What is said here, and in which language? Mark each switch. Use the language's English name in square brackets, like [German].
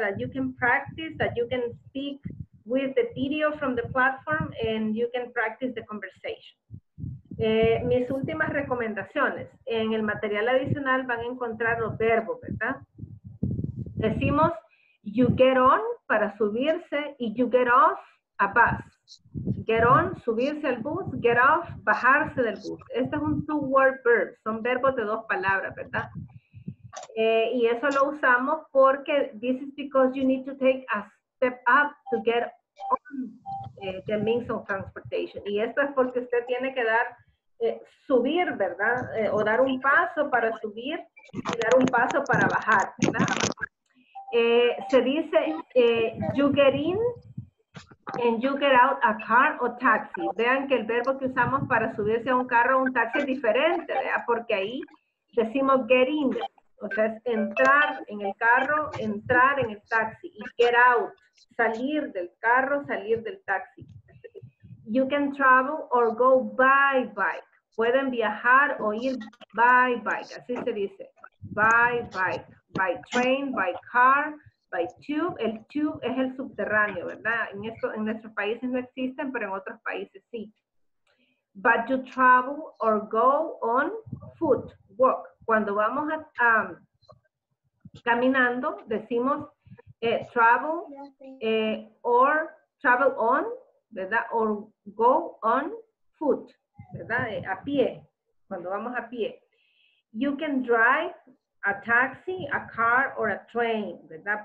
[English] That you can practice, that you can speak with the video from the platform and you can practice the conversation. [Spanish] Mis últimas recomendaciones, en el material adicional van a encontrar los verbos, ¿verdad? Decimos, [English] you get on, [Spanish] para subirse, y [English] you get off a bus. [Spanish] get on, subirse al bus, get off, bajarse del bus. Este es un two-word verb, son verbos de dos palabras, ¿verdad? Y eso lo usamos porque [English] this is because you need to take a step up to get on the means of transportation. [Spanish] Y esto es porque usted tiene que dar, subir, ¿verdad? O dar un paso para subir y dar un paso para bajar, ¿verdad? Se dice, [English] you get in and you get out a car or taxi. [Spanish] Vean que el verbo que usamos para subirse a un carro o un taxi es diferente, ¿verdad? Porque ahí decimos get in, o sea, es entrar en el carro, entrar en el taxi. Y get out, salir del carro, salir del taxi. [English] You can travel or go by bike. [Spanish] Pueden viajar o ir [English] by bike, así se dice. By bike. By train, by car, by tube. [Spanish] El tube es el subterráneo, ¿verdad? En esto, en nuestros países no existen, pero en otros países sí. [English] But you travel or go on foot, walk. [Spanish] Cuando vamos a, caminando, decimos [English] travel or travel on, [Spanish] ¿verdad? [English] Or go on foot, [Spanish] ¿verdad? A pie, cuando vamos a pie. [English] You can drive a taxi, a car, or a train, ¿verdad?